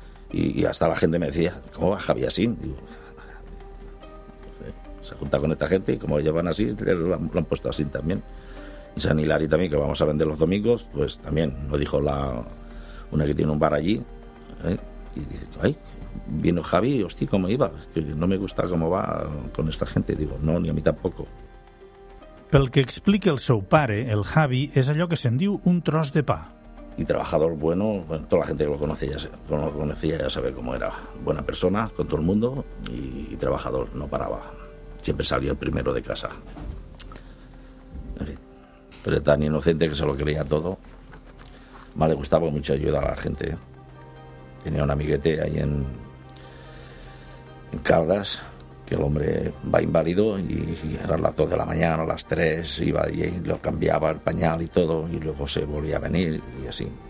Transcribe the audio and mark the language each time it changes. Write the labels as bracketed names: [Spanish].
[Spanish] Y hasta la gente me decía, ¿cómo va Javi así? Digo, se junta con esta gente y como llevan así, lo han puesto así también. Y San Hilario también, que vamos a vender los domingos, pues también lo dijo una que tiene un bar allí. Y dice, ay, vino Javi, hostia, ¿cómo iba? Que no me gusta cómo va con esta gente. Digo, no, ni a mí tampoco. [Catalan] Pel que explica el seu pare, el Javi és allò que se'n diu un tros de pa. [Spanish] Y trabajador bueno, toda la gente que lo conocía ya sabe cómo era. Buena persona con todo el mundo y trabajador, no paraba. Siempre salía el primero de casa. En fin, pero tan inocente que se lo creía todo. Más le gustaba mucho ayudar a la gente. Tenía un amiguete ahí en Caldas, que el hombre va inválido y eran las 2 de la mañana, las 3, iba allí y lo cambiaba el pañal y todo y luego se volvía a venir y así.